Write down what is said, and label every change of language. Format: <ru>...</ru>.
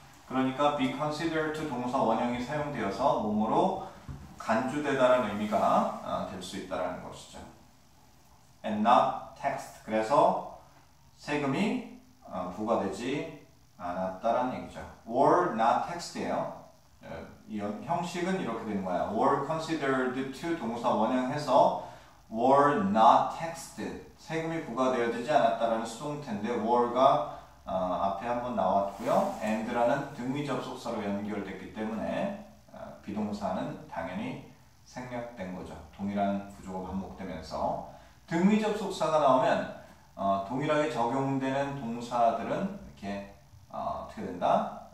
<ko>그러니까</ko> <en>be considered to</en> <ko>동사 원형이 사용되어서 몸으로 간주되다라는 의미가 될수 있다라는 것이죠.</ko> <en>And not taxed.</en> <ko>그래서 세금이 부과되지 않았다라는 얘기죠.</ko> <en>Were not taxed예요.</en> <ko>형식은 이렇게 되는 거야.</ko> <en>Were considered to</en> <ko>동사 원형해서</ko> <en>were not taxed.</en> <ko>세금이 부과되어지지 않았다라는 수동태인데 were가 앞에 한번 나왔고요. and라는 등위접속사로 연결됐기 때문에 비동사는 당연히 생략된 거죠. 동일한 구조가 반복되면서 등위접 속사가 나오면 동일하게 적용되는 동사들은 이렇게 어떻게 된다?</ko>